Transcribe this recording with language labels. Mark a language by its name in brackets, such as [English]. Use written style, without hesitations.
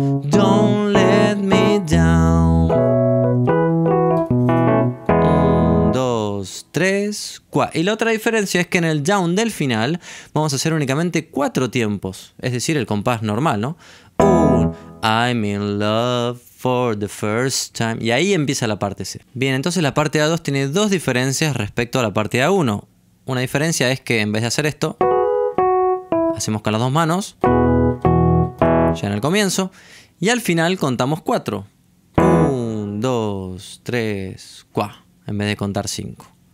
[English] Don't let me down. 1, 2, 3, 4. [Spanish] Y la otra diferencia es que en el down del final vamos a hacer únicamente 4 tiempos, es decir, el compás normal, ¿no? [English] I'm in love for the first time. [Spanish] Y ahí empieza la parte C. Bien, entonces la parte A2 tiene dos diferencias respecto a la parte A1. Una diferencia es que en vez de hacer esto, hacemos con las dos manos, ya en el comienzo, y al final contamos 4. 1, 2, 3, 4. En vez de contar 5.